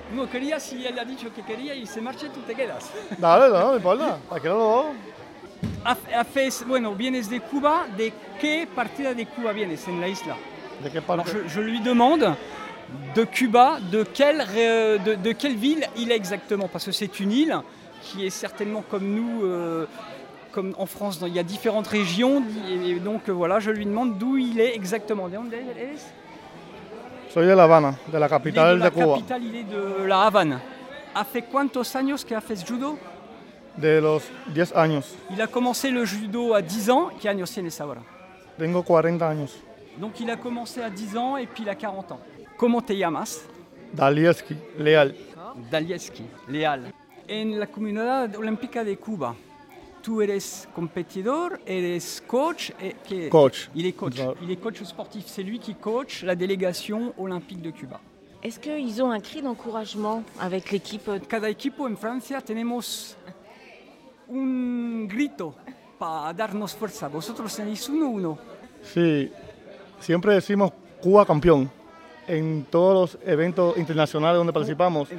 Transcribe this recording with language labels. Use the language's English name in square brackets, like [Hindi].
[Spanish] Quería si él ha dicho que quería y se marcha, tú te quedas. Dale, no, no importa. ¿A qué lado? Bueno, vienes de Cuba. ¿De qué partida de Cuba vienes en la isla? ¿De qué parte? [French] Je lui demande de Cuba, de quelle ville il est exactement, parce que c'est une île qui est certainement comme nous, comme en France, il y a différentes régions. Et donc voilà, je lui demande d'où il est exactement. [Spanish] ¿De dónde eres? Soy de La Habana, de la capital de Cuba. La capital, [French] il est de La Habana. [Spanish] ¿Hace cuántos años que haces judo? De los 10 años. [French] Il a commencé le judo à 10 ans. [Spanish] ¿Qué años tienes ahora? Tengo 40 años. [French] Donc il a commencé à 10 ans et puis il a 40 ans. [Spanish] ¿Cómo te llamas? Dalieski, Leal. Dalieski, Leal. En la comunidad olímpica de Cuba, tú eres competidor, eres coach. Coach. [French] Il est coach. Il est coach sportif. C'est lui qui coach la délégation olympique de Cuba. Est-ce qu'ils ont un cri d'encouragement avec l'équipe? [Spanish] Cada equipo en Francia tenemos un grito para darnos fuerza. ¿Vosotros tenéis uno o no? Sí. Siempre decimos Cuba campeón en todos los eventos internacionales donde participamos.